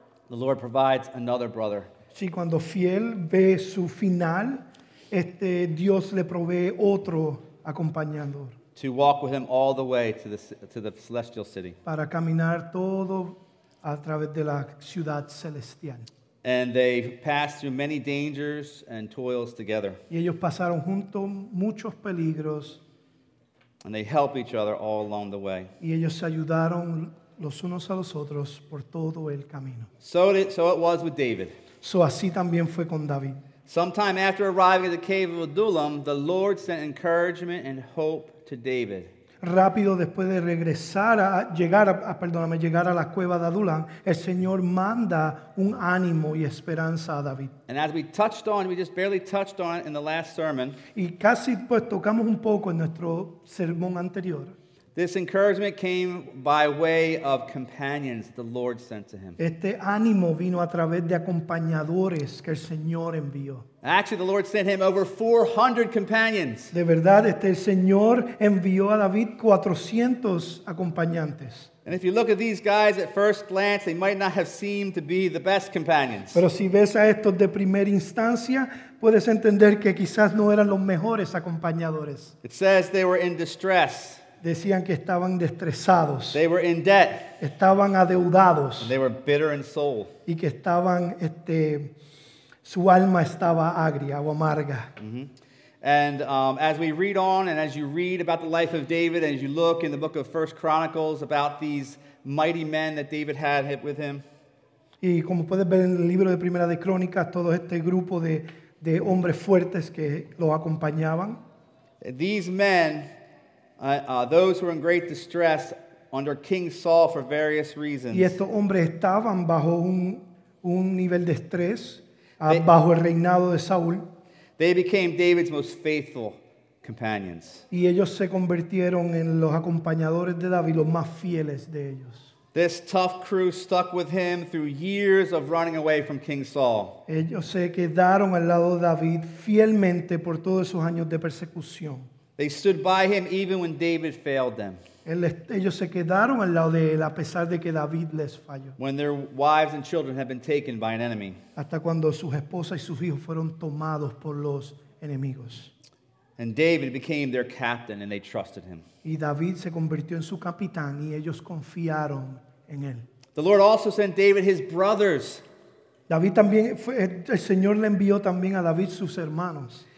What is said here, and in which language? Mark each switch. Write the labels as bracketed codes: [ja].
[en] The Lord provides another brother. [es] Sí, cuando Fiel ve su final, Dios le provee otro acompañador. [en] To walk with him all the way to the celestial city. [es] Para caminar todo a través de la ciudad celestial. [en] And they passed through many dangers and toils together. [es] Y ellos pasaron juntos muchos peligros. [en] And they help each other all along the way. [es] Y ellos se ayudaron los unos a los otros por todo el camino. [en] So it was with David. [es] So así también fue con David. [en] Sometime after arriving at the cave of Adullam, the Lord sent encouragement and hope to David. [es] Rápido después de regresar llegar a la cueva de Adullam, el Señor manda un ánimo y esperanza a David. [en] And as we touched on, we just barely touched on it in the last sermon. [es] Y casi pues tocamos un poco en nuestro sermón anterior. [en] This encouragement came by way of companions the Lord sent to him. [es] Este ánimo vino a través de acompañadores que el Señor envió. [en] Actually, the Lord sent him over 400 companions. [es] De verdad, el Señor envió a David 400 acompañantes. [en] And if you look at these guys at first glance, they might not have seemed to be the best companions. [es] Pero si ves a estos de primera instancia, puedes entender que quizás no eran los mejores acompañadores. [en] It says they were in distress. [es] Decían que estaban destrozados. [en] They were in debt. [es] Estaban adeudados. [en] And they were bitter in soul. [es] Y que estaban, su alma estaba agria o amarga. Mm-hmm. [en] And as we read on, and as you read about the life of David, and as you look in the book of 1 Chronicles about these mighty men that David had with him. [es] Y como puedes ver en el libro de Primera de Crónicas, todo este grupo de hombres fuertes que los acompañaban. [en] These men. Those who were in great distress under King Saul for various reasons. [es] Y estos hombres estaban bajo un nivel de estrés bajo el reinado de Saúl. [en] They became David's most faithful companions. [es] Y ellos se convirtieron en los acompañadores de David, los más fieles de ellos. [en] This tough crew stuck with him through years of running away from King Saul. [es] Ellos se quedaron al lado de David fielmente por todos esos años de persecución. [en] They stood by him even when David failed them. [es] Ellos se quedaron al lado de él a pesar de que David les falló. [en] When their wives and children had been taken by an enemy. [es] Hasta cuando sus esposas y sus hijos fueron tomados por los enemigos. [en] And David became their captain and they trusted him. [es] Y David se convirtió en su capitán y ellos confiaron en él. [en] The Lord also sent David his brothers. [es] David también fue, el Señor le envió también a David sus hermanos.